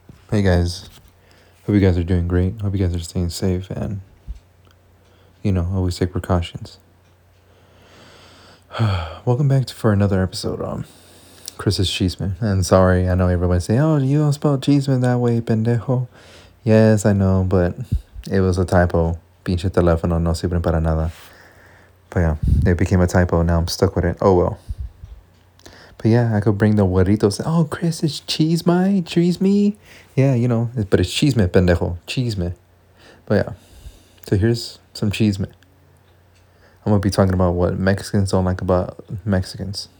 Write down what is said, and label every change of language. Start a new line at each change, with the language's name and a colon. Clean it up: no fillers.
English: Hey guys, hope you guys are doing great. Hope you guys are staying safe and, you know, always take precautions. Welcome back for another episode on Chris's Cheeseman. And sorry, I know everybody say, oh, you don't spell Cheeseman that way, pendejo. Yes, I know, but it was a typo.
Spanish: Pinche teléfono no sirve para nada.
English: But yeah, it became a typo. Now I'm stuck with it. Oh, well. But yeah, I could bring the huevitos. Oh, Chris, it's cheese my, cheese me. Yeah, you know, but it's cheese me, pendejo. Cheese me. But yeah, so here's some cheese me. I'm going to be talking about what Mexicans don't like about Mexicans.